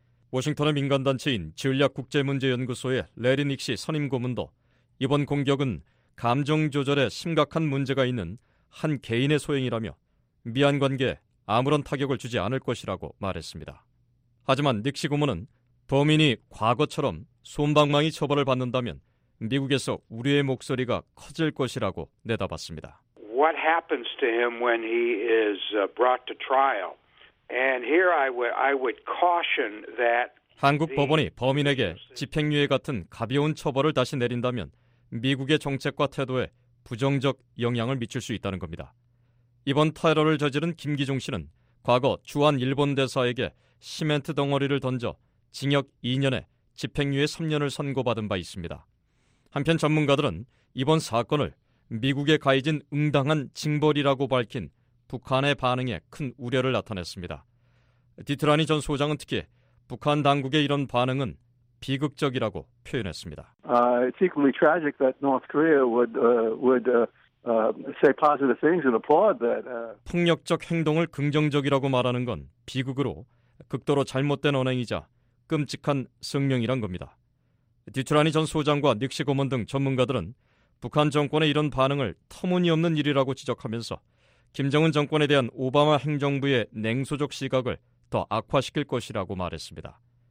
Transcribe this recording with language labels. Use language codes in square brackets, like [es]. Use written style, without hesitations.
[ko] 워싱턴의 민간단체인 전략국제문제연구소의 레리 닉시 선임고문도 이번 공격은 감정조절에 심각한 문제가 있는 한 개인의 소행이라며 미안 관계에 아무런 타격을 주지 않을 것이라고 말했습니다. 하지만 닉시 고문은 범인이 과거처럼 솜방망이 처벌을 받는다면 미국에서 우려의 목소리가 커질 것이라고 내다봤습니다. [en] What happens to him when he is brought to trial? And here I would caution that [ko] 한국 법원이 범인에게 집행유예 같은 가벼운 처벌을 다시 내린다면 미국의 정책과 태도에 부정적 영향을 미칠 수 있다는 겁니다. 이번 테러를 저지른 김기종 씨는 과거 주한 일본 대사에게 시멘트 덩어리를 던져 징역 2년에 집행유예 3년을 선고받은 바 있습니다. 한편 전문가들은 이번 사건을 미국에 가해진 응당한 징벌이라고 밝힌 북한의 반응에 큰 우려를 나타냈습니다. 디트라니 전 소장은 특히 북한 당국의 이런 반응은 비극적이라고 표현했습니다. [en] It's equally tragic that North Korea would say positive things and applaud that. [ko] 폭력적 행동을 긍정적이라고 말하는 건 비극으로 극도로 잘못된 언행이자 끔찍한 성명이란 겁니다. 디트라니 전 소장과 닉시 고문 등 전문가들은 북한 정권의 이런 반응을 터무니없는 일이라고 지적하면서 김정은 정권에 대한 오바마 행정부의 냉소적 시각을 더 악화시킬 것이라고 말했습니다.